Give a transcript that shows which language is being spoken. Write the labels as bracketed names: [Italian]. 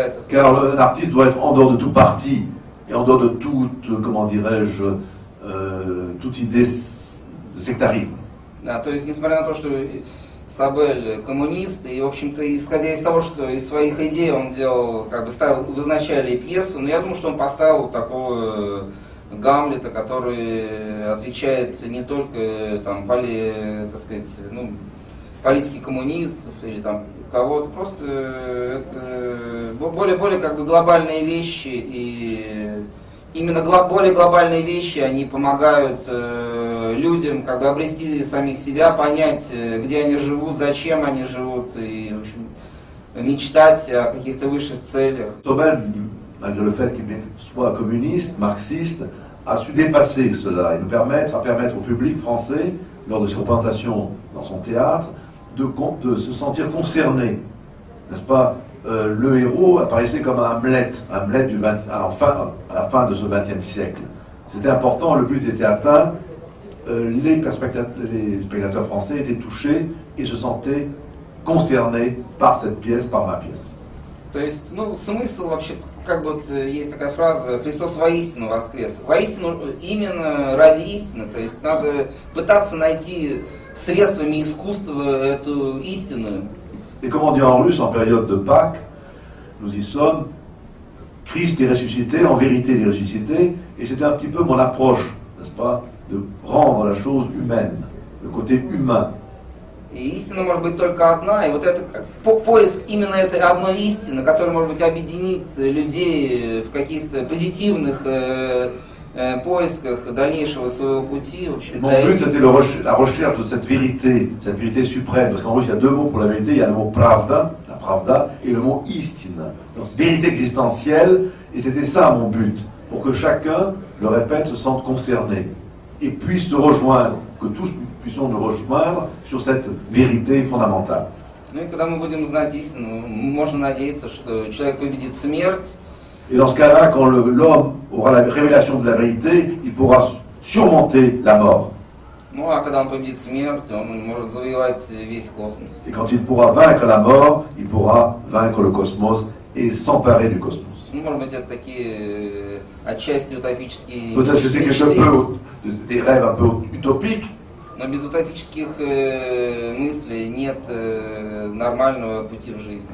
[French] Car un artiste doit être en dehors de tout parti et en dehors de toute, comment dirais-je, toute idée de sectarisme. [Russian] Да, то есть, несмотря на то, что Сабель коммунист, и, в общем-то, исходя из того, что из своих идей он делал, как бы ставил, вызначали пьесу, но я думаю, что он поставил такого Гамлета, который отвечает не только там, так сказать, ну, политике коммунистов или там кого-то, просто это более как бы глобальные вещи, и именно более глобальные вещи, они помогают людям как бы обрести самих себя, понять, где они живут, зачем они живут, и, в общем, мечтать о каких-то высших целях. [French] Sobel, malgré le fait qu'il soit communiste, marxiste, a su dépasser cela et permettre au public français, lors de ses représentations dans son théâtre, de se sentir concerné, n'est-ce pas, le héros apparaissait comme un Hamlet, Hamlet du 20, à la fin de ce 20e siècle. C'était important, le but était atteint, les spectateurs français étaient touchés et se sentaient concernés par cette pièce, par ma pièce. [Russian] То есть, ну, смысл вообще, как бы есть такая фраза, Христос воистину воскрес. Воистину, именно ради истины. То есть надо пытаться найти средствами искусства эту истину. [French] Et comme on dit en russe, en période de Pâques, nous y sommes, Christ est ressuscité, en vérité il est ressuscité, et c'était un petit peu mon approche, n'est-ce pas, de rendre la chose humaine, le côté humain. [Russian] И истина может быть только одна, и вот это поиск именно этой одной истины, которая может быть объединит людей в каких-то позитивных поисках дальнейшего своего пути. [French] Mon but c'était la recherche de cette vérité suprême, parce qu'en russe il y a deux mots pour la vérité, il y a le mot pravda, la pravda, et le mot истина, donc vérité existentielle, et c'était ça mon but, pour que chacun, le répète, se sente concerné et puisse se rejoindre, que tous puissions nous rejoindre sur cette vérité fondamentale. Et quand nous allons connaître l'истину, nous pouvons espérer que l'homme [Russian] победit [French] la mort. Et dans ce cas-là, quand l'homme aura la révélation de la vérité, il pourra surmonter la mort. Et quand il [Russian] победit [French] la mort, il pourra [Russian] завоевать весь космос. [French] Et quand il pourra vaincre la mort, il pourra vaincre le cosmos et s'emparer du cosmos. Peut-être que c'est quelque peu des rêves un peu utopiques. [Russian] Но без утопических мыслей нет нормального пути в жизни.